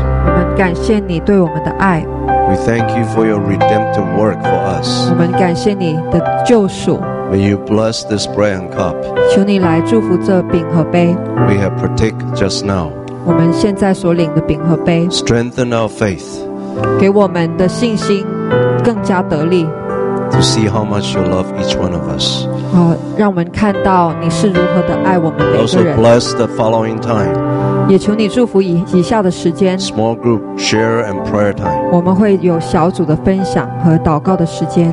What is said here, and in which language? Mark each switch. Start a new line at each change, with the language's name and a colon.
Chinese: 我们感谢你对我们的爱。
English: We thank you for your redemptive work for us.
Chinese: 我们感谢你的救赎。
English: May you bless this bread and cup.
Chinese: 求你来祝福这饼和杯。
English: We have partake just now.
Chinese: 我们现在所领的饼和杯。
English: Strengthen our faith.
Chinese: 给我们的信心更加得力。
English: To see how much you love each one of us.
Chinese: 让我们看到你是如何的爱我们每个人。
English: Also bless the following time.
Chinese: 也求你祝福以下的时间
English: Small group, share and prayer time.
Chinese: 我们会有小组的分享和祷告的时间